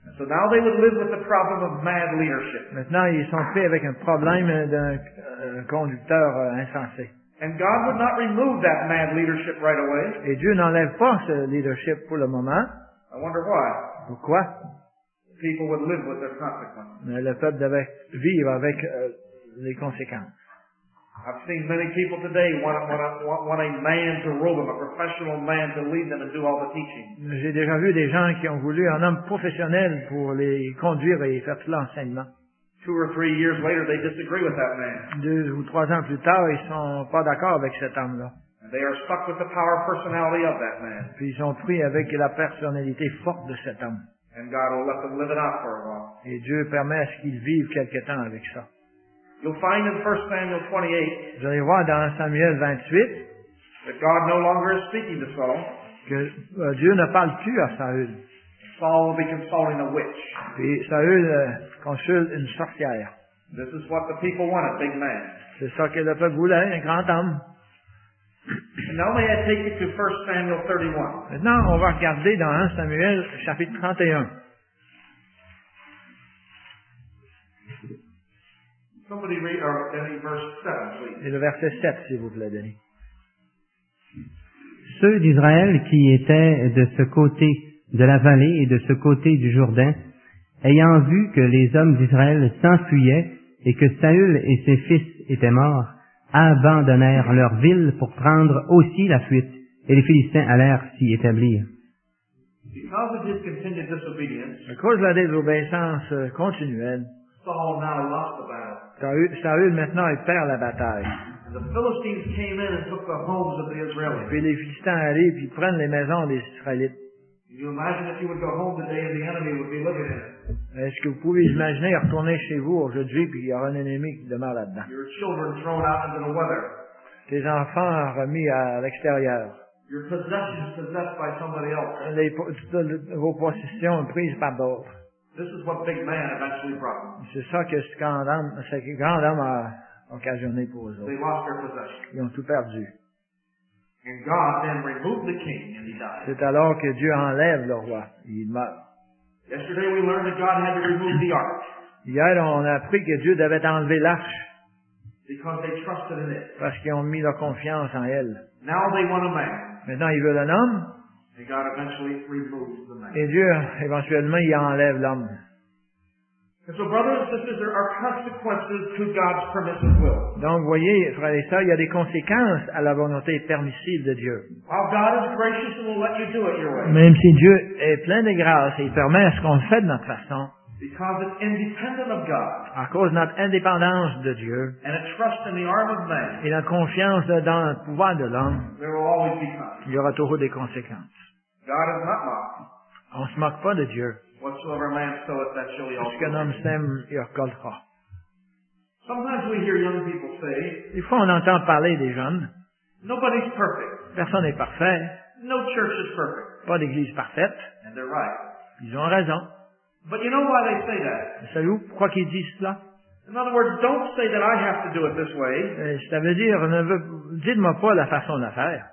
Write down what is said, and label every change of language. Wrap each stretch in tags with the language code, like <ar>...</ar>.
<en>So now they would live with the problem of mad leadership.</en> <fr>Maintenant, ils sont pris avec un problème d'un conducteur insensé.</fr> <en>And God would not remove that mad leadership right away.</en> <fr>Et Dieu n'enlève pas ce leadership pour le moment.</fr> <en>I wonder why.</en> <fr>Pourquoi?</fr> <en>The people would live with their consequences.</en> <fr>Mais le peuple devait vivre avec les conséquences.</fr> <en>I've seen many people today want a man to rule them, a professional man to lead them and do all the teaching.</en> <fr>J'ai déjà vu des gens qui ont voulu un homme professionnel pour les conduire et faire tout l'enseignement.</fr> <en>2 or 3 years later, they disagree with that man.</en> <fr>2 ou 3 ans plus tard, ils sont pas d'accord avec cet homme-là.</fr> <en>They are stuck with the power personality of that man.</en> <fr>Puis ils sont pris avec la personnalité forte de cet homme.</fr> <en>And God will let them live it out for a while.</en> <fr>Et Dieu permet à ce qu'ils vivent quelque temps avec ça.</fr> <en>You'll find in 1 Samuel 28,</en> <fr>vous allez voir dans Samuel 28</fr> <en>that God no longer is speaking to Saul,</en> <fr>que Dieu ne parle plus à Saül.</fr> <en>Saul will be consulting a witch.</en> <fr>Puis Saül consulte une sorcière.</fr> <en>This is what the people want, a big man.</en> <fr>C'est ça que le peuple voulait, un grand homme.</fr> <en>And now may I take you to 1 Samuel 31.</en> <fr>Maintenant, on va regarder dans 1 Samuel chapitre 31.</fr> <en>Somebody read or Denis, verse 7, please.</en> <fr>Et le verset 7, s'il vous plaît, Denis. Ceux d'Israël qui étaient de ce côté de la vallée et de ce côté du Jourdain, ayant vu que les hommes d'Israël s'enfuyaient et que Saül et ses fils étaient morts, abandonnèrent leur ville pour prendre aussi la fuite, et les Philistins allèrent s'y établir. À cause de la désobéissance continuelle,</fr> <en>Saul now lost the battle.</en> <fr>Saül maintenant il perd la bataille.</fr> <en>And the Philistines came in and took the homes of the Israelites.</en> <fr>Puis les Philistins arrivent puis prennent les maisons des Israélites.</fr> <en>Can you imagine if you would go home today and the enemy would be looking at it?</en> <fr>Est-ce que vous pouvez imaginer retourner chez vous aujourd'hui puis il y aura un ennemi qui demeure là-dedans?</fr> <en>Your children thrown out into the weather.</en> <fr>Tes enfants remis à l'extérieur.</fr> <en>Your possessions possessed by somebody else.</en> <fr>Vos possessions prises par d'autres.</fr> <en>This is what big man eventually brought.</en> <fr>C'est ça que ce grand homme a occasionné pour eux.</fr> <en>They lost their possession.</en> <fr>Ils ont tout perdu.</fr> <en>And God then removed the king and he died.</en> <fr>C'est alors que Dieu enlève le roi. Il meurt.</fr> <en>Yesterday we learned that God had to remove the ark.</en> <fr>Hier, on a appris que Dieu devait enlever l'arche.</fr> <en>Because they trusted in it.</en> <fr>Parce qu'ils ont mis leur confiance en elle.</fr> <en>Now they want a man.</en> <fr>Maintenant, ils veulent un homme.</fr> <en>And God eventually removes the man.</en> <fr>Et Dieu, éventuellement, il enlève l'homme.</fr> <en>And so, brothers and sisters, there are consequences to God's permissive will.</en> <fr>Donc, voyez, frères et sœurs, il y a des conséquences à la volonté permissive de Dieu.</fr> <en>While God is gracious and will let you do it your way.</en> <fr>Même si Dieu est plein de grâce et il permet ce qu'on fait de notre façon.</fr> <en>Because it's independent of God.</en> <fr>À cause de notre indépendance de Dieu.</fr> <en>And a trust in the arm of man.</en> <fr>Et la confiance dans le pouvoir de l'homme.</fr> <en>There will always be consequences.</en> <fr>Il y aura toujours des conséquences.</fr> <en>God is not mocked.</en> <fr>On se moque pas de Dieu.</fr> <en>Whatsoever man soweth, that shall he also reap.</en> <fr>Ce qu'un homme sème, il récoltera.</fr> <en>Sometimes we hear young people say.</en> <fr>Des fois, on entend parler des jeunes.</fr> <en>Nobody's perfect.</en> <fr>Personne n'est parfait.</fr> <en>No church is perfect.</en> <fr>Pas d'église parfaite.</fr> <en>And they're right.</en> <fr>Ils ont raison.</fr> <en>But you know why they say that?</en> <fr>Savez-vous pourquoi qu'ils disent cela?</fr> <en>In other words, don't say that I have to do it this way.</en> <fr>Ça veut dire, dites-moi pas la façon de faire.</fr>